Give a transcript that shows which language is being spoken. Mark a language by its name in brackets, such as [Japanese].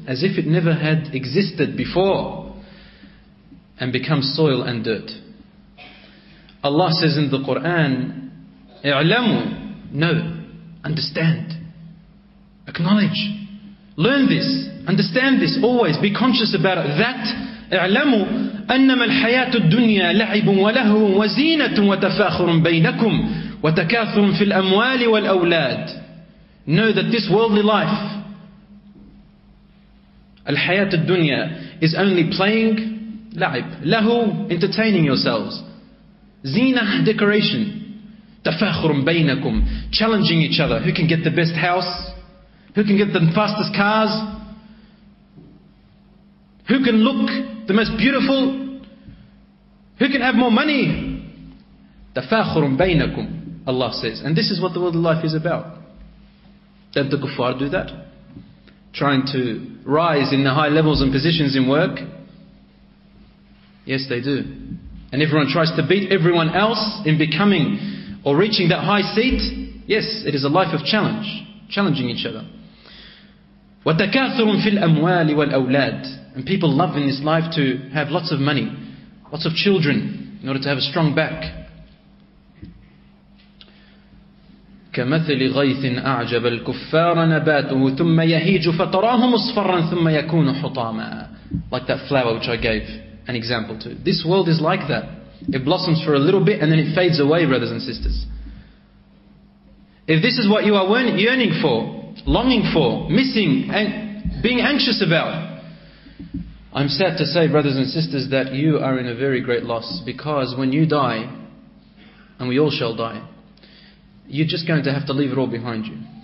[English] As if it never had existed before. And becomes soil and dirt. Allah says in the Quran, اعلموا, know, understand, acknowledge, learn this, understand this always, be conscious about it. [Arabic] That, اعلموا, أنما الحياة الدنيا لعب ولهو وزينة وتفاخر بينكم وتكاثر في الأموال والأولاد. [English] Know that this worldly life, [Arabic] الحياة الدنيا, [English] is only playing, [Arabic] لعب, لهو, [English] entertaining yourselves. [Arabic] زينة, [English] decoration. [Arabic] تفاخر بينكم, [English] challenging each other. Who can get the best house? Who can get the fastest cars? Who can look the most beautiful? Who can have more money? [Arabic] تفاخر بينكم, Allah says. [English] And this is what the world of life is about. Don't the kuffar do that? Trying to rise in the high levels and positions in work? Yes, they do. And everyone tries to beat everyone else in becoming or reaching that high seat? Yes, it is a life of challenge, challenging each other. [Arabic] وتكاثر في الأموال والأولاد. [English] And people love in this life to have lots of money, lots of children, in order to have a strong back. [Arabic] كمثل غيث أعجب الكفار نباته ثم يهيج فتراه مصفرا ثم يكون حطاما. [English] Like that flower which I gave an example to. This world is like that. It blossoms for a little bit and then it fades away, brothers and sisters. If this is what you are yearning for, longing for, missing, and being anxious about, I'm sad to say, brothers and sisters, that you are in a very great loss, because when you die, and we all shall die, you're just going to have to leave it all behind you.